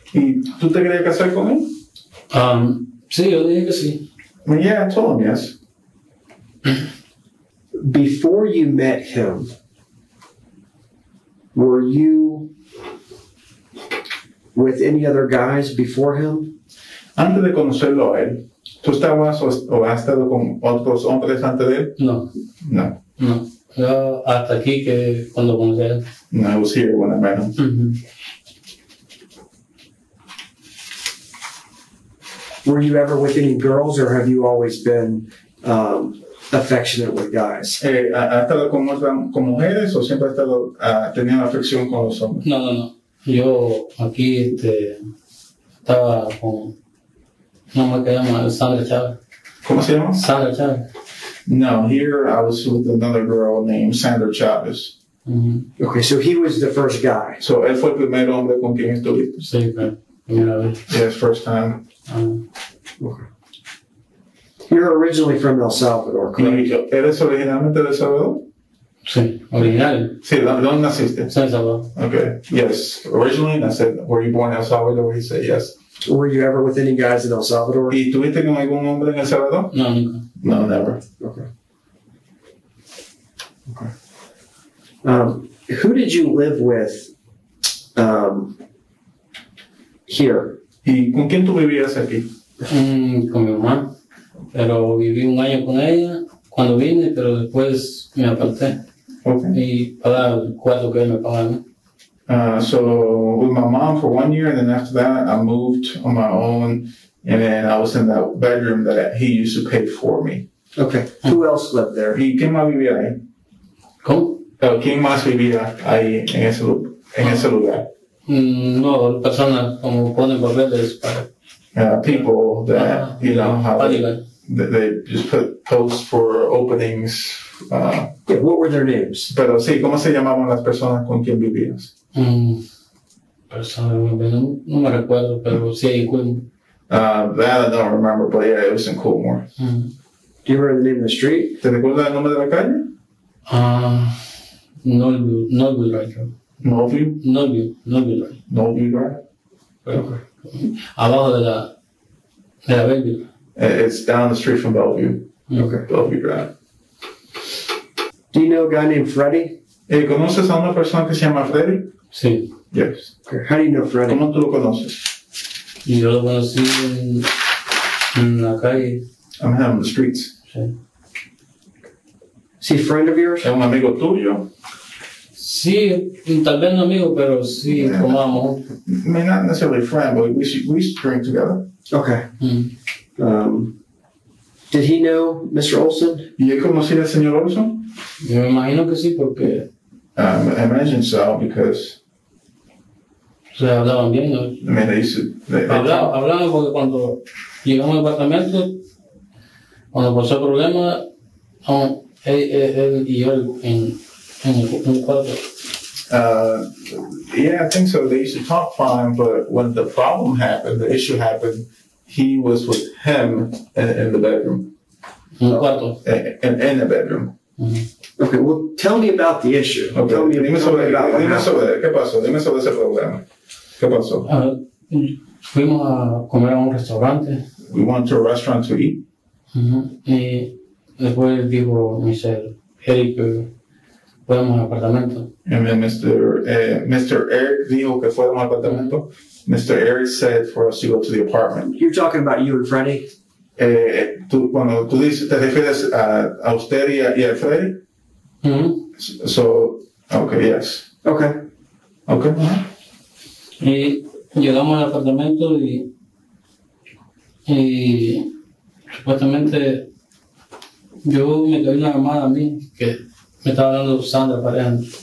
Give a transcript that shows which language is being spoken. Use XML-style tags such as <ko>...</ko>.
<es>¿Tú te querías casar con él? Sí, yo dije que sí.</es> <en>Well, yeah, I told him yes. Before you met him, were you with any other guys before him?</en> <es>Antes de conocerlo a él, ¿tú estabas o has estado con otros hombres antes de él? No. No. No. Yo hasta aquí que cuando conocí a él.</es> <en>No, I was here when I met him. Were you ever with any girls, or have you always been affectionate with guys?</en> <es>¿Ha estado con mujeres o siempre ha estado teniendo afección con los hombres? No, no, no. Yo aquí estaba con una mujer que se llama Sandra Chávez. ¿Cómo se llama? Sandra Chávez.</es> <en>No, here I was with another girl named Sandra Chávez. Mm-hmm. Okay, so he was the first guy.</en> <es>So él fue el primer hombre con quien estuviste. Sí, primera vez.</es> <en>Yes, first time. Okay. You're originally from El Salvador, correct?</en> <es>¿Eres originalmente de El Salvador? Sí, original. Sí, ¿dónde naciste? San Salvador.</es> <en>Okay, yes. Originally, I said, were you born in El Salvador? He said, yes. Were you ever with any guys in El Salvador?</en> <es>¿Y tuviste con algún hombre en El Salvador? No, nunca.</es> <en>No, never. Okay. Who did you live with here?</en> <es>¿Y con quién tú vivías aquí? Con mi mamá. Pero viví un año con ella cuando vine, pero después me aparté.</es> <en>Okay.</en> <es>Y para el cuarto que me pagaron.</es> <en>So with my mom for 1 year, and then after that I moved on my own, and then I was in that bedroom that he used to pay for me. Okay. Mm-hmm. Who else lived there?</en> <es>¿Y quién más vivía ahí? ¿Cómo? ¿Quién más vivía ahí en ese lugar? No, personas como ponen papeles para.</es> <en>People that they just put posts for openings. Yeah, what were their names?</en> <es>Pero sí, ¿cómo se llamaban las personas con quien vivías? No me recuerdo, pero sí hay Coolmore.</es> <en>That I don't remember, but yeah, it was in Coolmore. Mm. Do you remember the name of the street?</en> <es>¿Te recuerdas el nombre de la calle? Norview Drive. Abajo de la</es> <en>It's down the street from Bellevue. Mm. Okay. Bellevue Drive. Do you know a guy named Freddy?</en> <es>Hey, ¿conoces a una persona que se llama Freddy? Sí.</es> <en>Yes. Okay. How do you know Freddy?</en> <es>¿Cómo tú lo conoces? Yo lo conocí en la calle.</es> <en>I met him on the streets.</en> <es>Sí. ¿Es un</es> <en>friend of yours?</en> <es>¿Es un amigo tuyo? Sí, tal vez no amigo, pero sí, yeah. Comamos.</es> <en>I mean, not necessarily friend, but we used to drink together. Okay. Mm-hmm. Did he know Mr. Olson?</en> <es>¿Y conocí al señor Olson? Yo me imagino que sí, porque...</es> <en>I imagine so, because...</en> <es>O sea, hablaban bien, ¿no?</es> <en>I mean, they used to...</en> <es>Hablaban porque cuando llegamos al apartamento, cuando pasó el problema, él y yo en el cuarto.</es> <en>Yeah, I think so. They used to talk fine, but when the problem happened, the issue happened, he was with him in the bedroom.</en> <es>En el cuarto.</es> <en>In the bedroom. Mm-hmm. Okay, well, tell me about the issue. Okay. Tell me</en> <es>dime sobre, about the dime sobre, ¿qué pasó? Dime sobre ese problema. ¿Qué pasó? Fuimos a comer a un restaurante.</es> <en>We went to a restaurant to eat.</en> <es>Mm-hmm. Y después dijo, Mr. Eric, podemos al apartamento.</es> <en>And then</en> <es>Mr. Eric dijo que fuimos al apartamento. Mr.</es> <en>Eric said for us to go to the apartment. You're talking about you and Freddy?</en> <es>Cuando tú dices, te refieres a usted y a Freddy?</es> <en>Mm-hmm. So, okay, yes. Okay. Okay.</en> <es>Uh-huh. Y llegamos al apartamento y supuestamente yo me doy una llamada a mí que me estaba dando Sandra pareja.</es>